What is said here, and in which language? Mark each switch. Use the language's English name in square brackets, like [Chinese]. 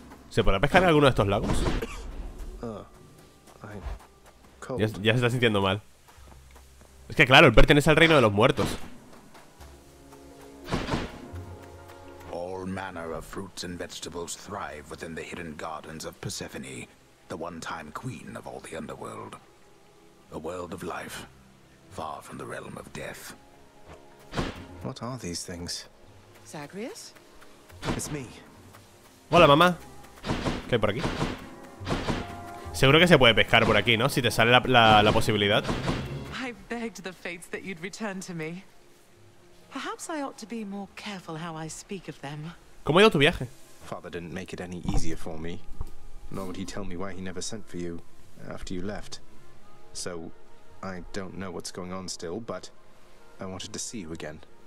[Spanish] ¿Se podrá pescar en alguno de estos lagos? Ya se está sintiendo mal. Es que claro, él pertenece al reino de los muertos. [English] All manner of fruits and vegetables thrive within the hidden gardens of Persephone, the one-time queen of all the underworld. A world of life, far from the realm of death. What are these things? Zagreus? It's me. [Spanish] Hola, mamá. ¿Qué hay por aquí? Seguro que se puede pescar por aquí, ¿no? Si te sale la posibilidad. [English] I begged the fates that you'd return to me. Perhaps I ought to be more careful how I speak of them. [Spanish] ¿Cómo ha ido tu viaje? [English] Father didn't make it any easier for me. Nor would he tell me why he never sent for you after you left. So I don't know what's going on still, but I wanted to see you again.